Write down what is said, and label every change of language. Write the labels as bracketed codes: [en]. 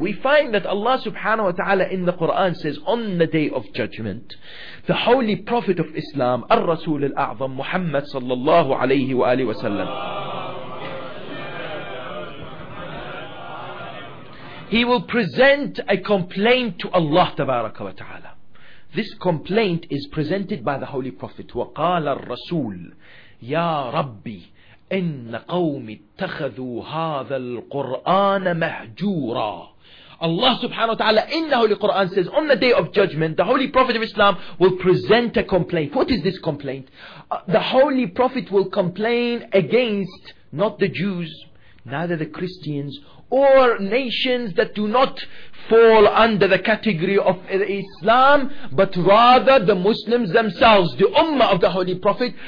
[en] We find that Allah subhanahu wa ta'ala in the Quran says, on the Day of Judgment, the Holy Prophet of Islam, Ar-Rasul al-A'zam, Muhammad sallallahu alayhi wa alihi wa sallam, he will present a complaint to Allah tabaraka wa ta'ala. This complaint is presented by the Holy Prophet. [ar] وقال الرسول يا ربي إن قومي اتخذوا هذا القرآن مهجورا. [en] Allah subhanahu wa ta'ala in the Holy Quran says, on the Day of Judgment, the Holy Prophet of Islam will present a complaint. What is this complaint? The Holy Prophet will complain against not the Jews, neither the Christians, or nations that do not fall under the category of Islam, but rather the Muslims themselves, the Ummah of the Holy Prophet.